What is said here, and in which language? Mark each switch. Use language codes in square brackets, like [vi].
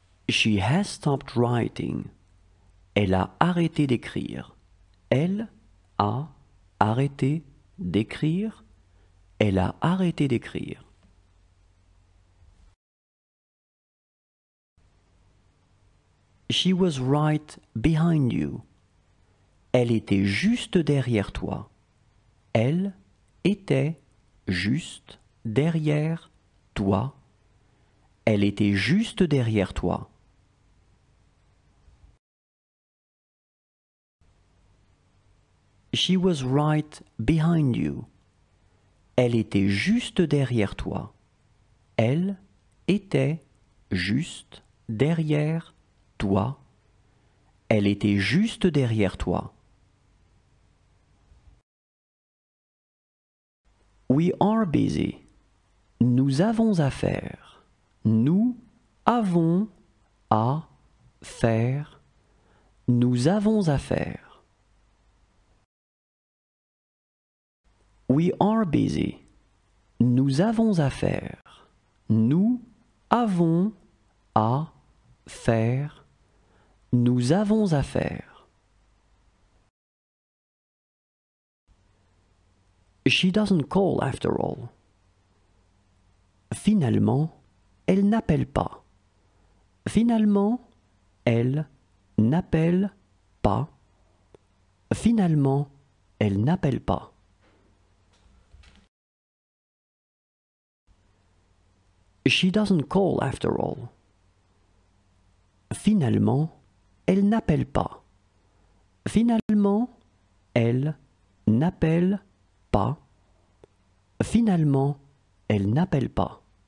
[en] She has stopped writing. [fr] Elle a arrêté d'écrire. Elle a arrêté d'écrire. Elle a arrêté d'écrire. [en] She was right behind you. [fr] Elle était juste derrière toi. Elle était juste derrière toi. Elle était juste derrière toi. [en] She was right behind you. [fr] Elle était juste derrière toi. Elle était juste derrière toi. Elle était juste derrière toi. [en] We are busy. [fr] Nous avons à faire. Nous avons à faire. Nous avons à faire. [en] We are busy. [fr] Nous avons à faire. Nous avons à faire. Nous avons à faire. [en] She doesn't call after all. [fr] Finalement, elle n'appelle pas. Finalement, elle n'appelle pas. Finalement, elle n'appelle pas. [en] She doesn't call after all. [fr] Finalement, elle n'appelle pas. Finalement, elle n'appelle pas. Finalement, elle n'appelle pas.